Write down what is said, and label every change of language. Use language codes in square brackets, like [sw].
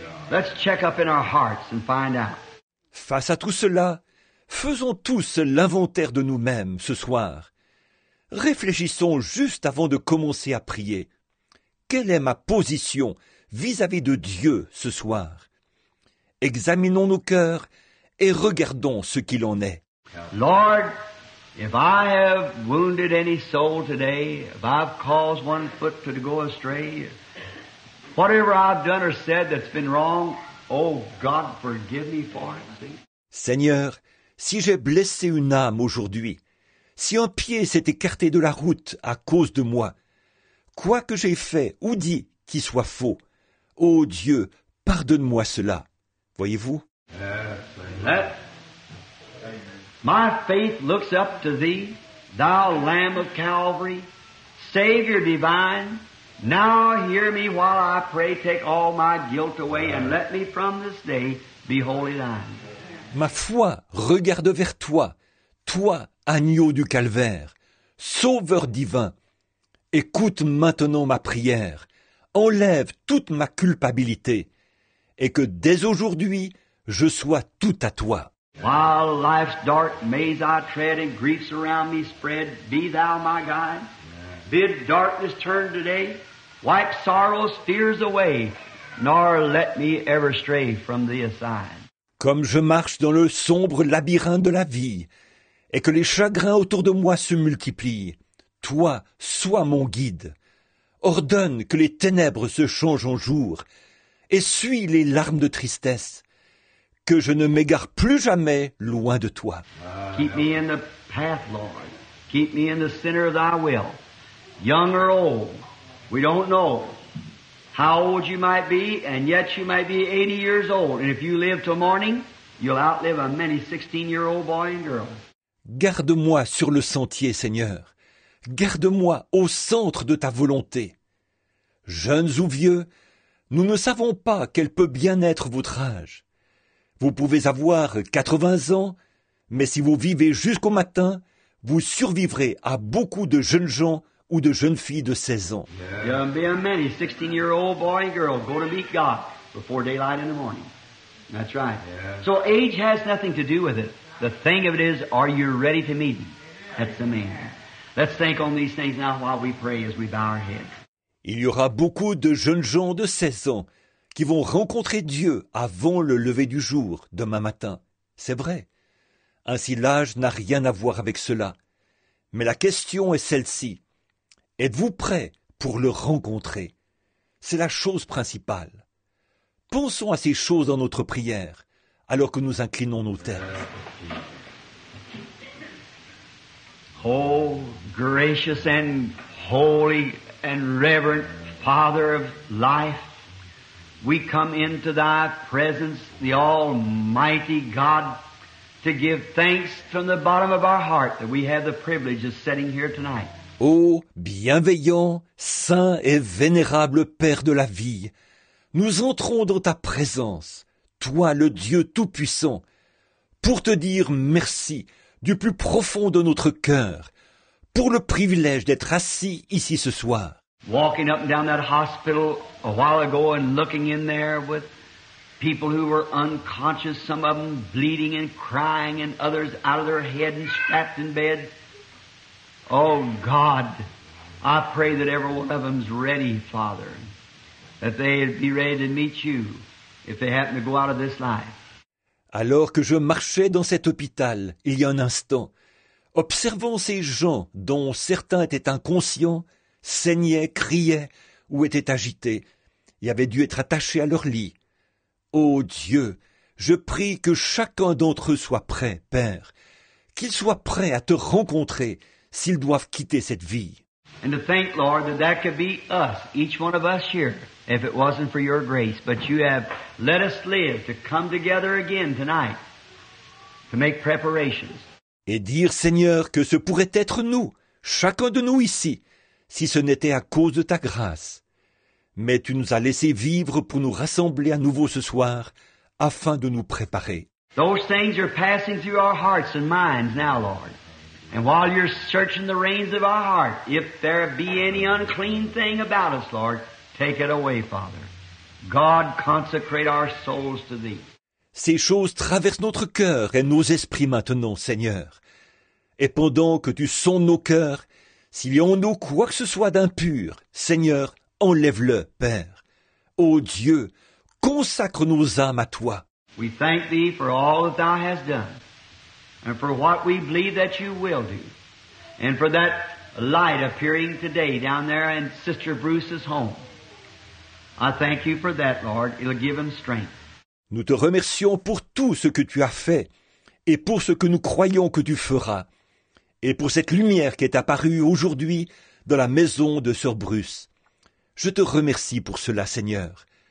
[en] Let's check up in our hearts and find out. [fr] Face à tout cela, faisons tous l'inventaire de nous-mêmes ce soir. Réfléchissons juste avant de commencer à prier. Quelle est ma position vis-à-vis de Dieu ce soir? Examinons nos cœurs et regardons ce qu'il en est. [en] Lord, if I have wounded any soul today, if I've caused one foot to go astray, whatever I've done or said that's been wrong, oh God, forgive me for it. See? [fr] Seigneur, si j'ai blessé une âme aujourd'hui, si un pied s'est écarté de la route à cause de moi, quoi que j'ai fait ou dit qui soit faux, ô Dieu, pardonne-moi cela. Voyez-vous? [en] My faith looks up to thee, thou Lamb of Calvary, Savior divine. Now hear me while I pray, take all my guilt away and let me from this day be wholly thine. [fr] Ma foi regarde vers toi, toi, agneau du calvaire, sauveur divin. Écoute maintenant ma prière, enlève toute ma culpabilité, et que dès aujourd'hui, je sois tout à toi. [en] While life's dark maze I tread and griefs around me spread, be thou my guide. Bid darkness turn today, wipe sorrow's fears away, nor let me ever stray from thee aside. [fr] Comme je marche dans le sombre labyrinthe de la vie, et que les chagrins autour de moi se multiplient, toi, sois mon guide. Ordonne que les ténèbres se changent en jour, et suis les larmes de tristesse, que je ne m'égare plus jamais loin de toi. [en] Keep me in the path, Lord. Keep me in the center of thy will. Young or old, we don't know. How old you might be, and yet you might be 80 years old. And if you live till morning, you'll outlive a many 16-year-old boy and girl. [fr] Garde-moi sur le sentier, Seigneur. Garde-moi au centre de ta volonté. Jeunes ou vieux, nous ne savons pas quel peut bien être votre âge. Vous pouvez avoir 80 ans, mais si vous vivez jusqu'au matin, vous survivrez à beaucoup de jeunes gens ou de jeunes filles de 16 ans. [en] Young be a many 16-year-old boy and girl go to meet God before daylight in the morning. That's right. So age has nothing to do with it. The thing of it is, are you ready to meet him? That's the main. Let's think on these things now while we pray as we bow our head. [fr] Il y aura beaucoup de jeunes gens de 16 ans qui vont rencontrer Dieu avant le lever du jour demain matin. C'est vrai. Ainsi l'âge n'a rien à voir avec cela. Mais la question est celle-ci. Êtes-vous prêt pour le rencontrer? C'est la chose principale. Pensons à ces choses dans notre prière, alors que nous inclinons nos têtes. [en] Oh, gracious and holy and reverent Father of life, we come into thy presence, the Almighty God, to give thanks from the bottom of our heart that we have the privilege of sitting here tonight. [fr] Ô bienveillant, saint et vénérable Père de la vie, nous entrons dans ta présence, toi le Dieu Tout-Puissant, pour te dire merci du plus profond de notre cœur, pour le privilège d'être assis ici ce soir. [en] Walking up and down that hospital a while ago and looking in there with people who were unconscious, some of them bleeding and crying and others out of their head and strapped in bed. Oh God, I pray that every one of them's ready, Father, that they'd be ready to meet you if they happen to go out of this life. [fr] Alors que je marchais dans cet hôpital il y a un instant, observant ces gens dont certains étaient inconscients, saignaient, criaient ou étaient agités, et avaient dû être attachés à leur lit. Oh Dieu, je prie que chacun d'entre eux soit prêt, Père, qu'il soit prêt à te rencontrer. S'ils doivent quitter cette vie. [en] And to think, Lord, that could be us, each one of us here, if it wasn't for your grace. But you have let us live to come together again tonight to make preparations. [fr] Et dire, Seigneur, que ce pourrait être nous, chacun de nous ici, si ce n'était à cause de ta grâce. Mais tu nous as laissé vivre pour nous rassembler à nouveau ce soir, afin de nous préparer. [en] Those things are passing through our hearts and minds now, Lord. And while you're searching the reins of our heart, if there be any unclean thing about us, Lord, take it away, Father. God, consecrate our souls to Thee. [fr] Ces choses traversent notre cœur et nos esprits maintenant, Seigneur. Et pendant que Tu sondes nos cœurs, s'il y a en nous quoi que ce soit d'impur, Seigneur, enlève-le, Père. Ô Dieu, consacre nos âmes à Toi. [en] We thank Thee for all that Thou hast done, and for what we believe that You will do, and for that light appearing today down there in Sister Bruce's home. I thank You for that, Lord. It'll give him strength. [fr] Nous te remercions pour tout ce que Tu as fait et pour ce que nous croyons que Tu feras et pour cette lumière qui est apparue aujourd'hui dans la maison de Sœur Bruce. Je te remercie pour cela, Seigneur.